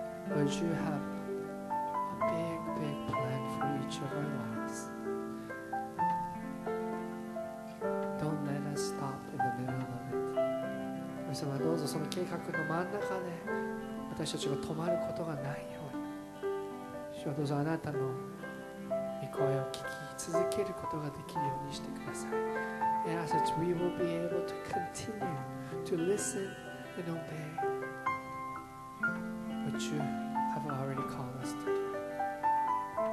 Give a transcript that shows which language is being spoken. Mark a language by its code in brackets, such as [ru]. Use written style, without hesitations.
[en] Lord, you have a big, big plan for each of our lives. Don't let us stop in the middle of it. [ja] 神様、どうぞその計画の真ん中で私たちが止まることがないように。主よ、どうぞあなたの御声を聞き続けることができるようにしてください。 [en] And as such, we will be able to continue to listen and obey. What you have already called us to do.